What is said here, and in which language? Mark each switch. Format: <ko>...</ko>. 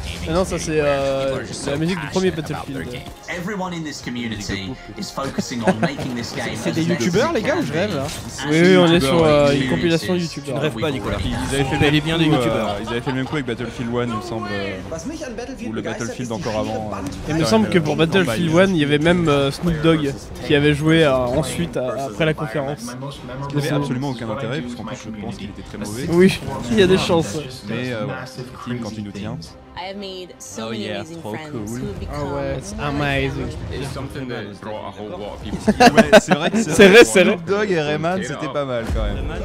<fr>Non, ça c'est la musique du premier Battlefield.</fr> <en>Everyone in this community is focusing on making this game.</en> <fr>C'est des youtubeurs les gars, je rêve là. Oui, on est sur une compilation YouTube. Tu ne rêves pas Nicolas. Ils avaient fait même bien des youtubeurs. Ils avaient fait le même coup avec Battlefield 1, il me semble. Ou le Battlefield encore avant. Il me semble que pour Battlefield 1, il y avait même Snoop Dogg qui avait joué ensuite après la conférence. Il n'avait absolument aucun intérêt parce qu'en plus je pense qu'il était très mauvais. Oui, il y a des chances. Mais ouais, quand tu nous tiens.</fr> <en>I have made so many amazing friends cool. Who have become It's something that brought a whole lot of people.</en> <fr>Ouais, c'est vrai que c'est vrai. Snoop Dogg et Rayman, c'était pas mal quand même.</fr>